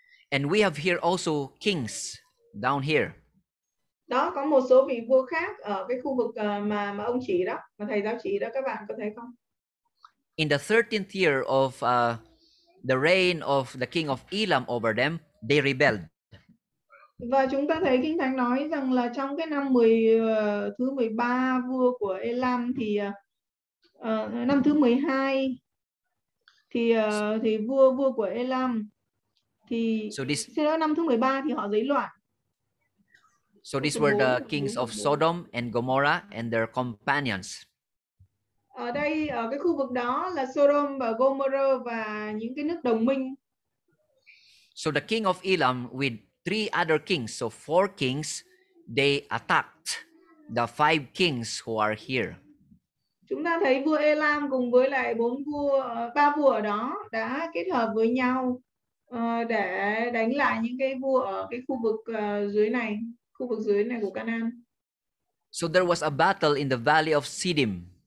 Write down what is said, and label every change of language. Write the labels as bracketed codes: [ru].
[en] And we have here also kings down here. [vi] Đó có một số vị vua khác ở cái khu vực mà ông chỉ đó, mà thầy giáo chỉ đó, các bạn có thấy không? [en] In the 13th year of the reign of the king of Elam over them, they rebelled. [vi] Và chúng ta thấy Kinh Thánh nói rằng là trong cái năm thứ 13 vua của Elam thì năm thứ 12 thì vua của Elam thì năm thứ 13 thì họ dấy loạn. [en] So these were the kings of Sodom and Gomorrah and their companions. [vi] Ở đây ở cái khu vực đó là Sodom và Gomorrah và những cái nước đồng minh. [en] So the king of Elam with three other kings, so four kings, they attacked the five kings who are here. [vi] Chúng ta thấy vua Elam cùng với lại ba vua đó đã kết hợp với nhau để đánh lại những cái vua ở cái khu vực dưới này, khu vực dưới này của Canaan. [en] So there was a battle in the valley of Siddim.